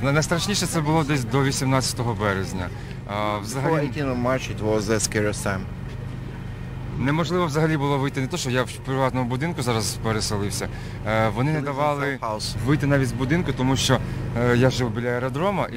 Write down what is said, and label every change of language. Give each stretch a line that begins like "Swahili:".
Ukrainian: Найстрашніше це було десь до 18 березня. Взагалі,
English: before 18 March, it was the scariest time.
Ukrainian: Неможливо взагалі було вийти, не то, що я в приватному будинку зараз переселився. Вони не давали вийти навіть з будинку, тому що я жив біля аеродрома, і